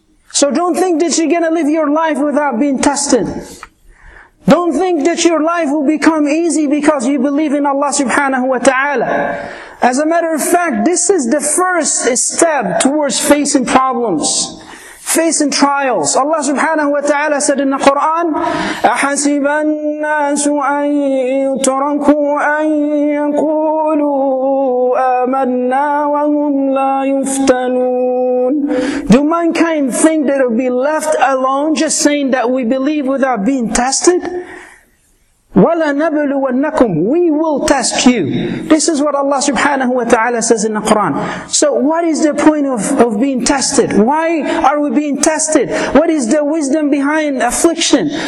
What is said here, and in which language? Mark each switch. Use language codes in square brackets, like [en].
[en] So don't think that you're going to live your life without being tested. Don't think that your life will become easy because you believe in Allah subhanahu wa ta'ala. As a matter of fact, this is the first step towards facing problems, facing trials. [ar] Allah subhanahu wa ta'ala said in the Quran, أَحَسِبَ النَّاسُ أَن يُتْرَكُوا أَن يَقُولُوا آمَنَّا وَهُمْ لَا يُفْتَنُونَ. [en] Do mankind think that it will be left alone just saying that we believe without being tested? وَلَنَبْلُوَنَّكُمْ, we will test you. This is what Allah subhanahu wa ta'ala says in the Quran. So what is the point of being tested? Why are we being tested? What is the wisdom behind affliction?